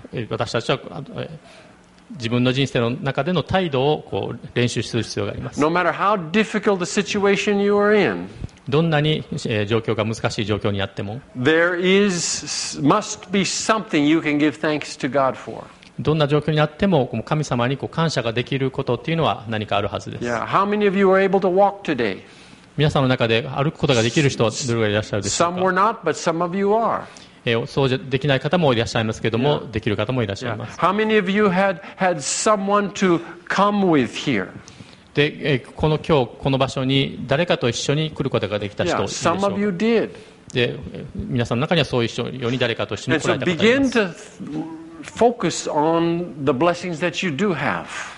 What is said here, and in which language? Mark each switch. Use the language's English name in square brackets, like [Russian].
[Japanese] 私たちは自分の人生の中での態度を練習する必要があります。 [English] No matter how difficult the situation you are in, [Japanese] どんなに状況が難しい状況にあっても、 [English] There is, must be something you can give thanks to God for. [Japanese] どんな状況にあっても、神様に感謝ができることっていうのは何かあるはずです。 Yeah. [English] How many of you are able to walk today? [Japanese] 皆さんの中で歩くことができる人はどれくらいいらっしゃるでしょうか。 [English] Some were not, but some of you are. [Japanese] そうできない方もいらっしゃいますけれども、yeah. できる方もいらっしゃいます。 [English] Yeah. How many of you had someone to come with here? [Japanese] で、この今日この場所に誰かと一緒に来ることができた人いるでしょうか。 [English] Yeah, some of you did. [Japanese] で、皆さんの中にはそういう人に誰かと一緒に来られた方います。 [English] And so begin to focus on the blessings that you do have.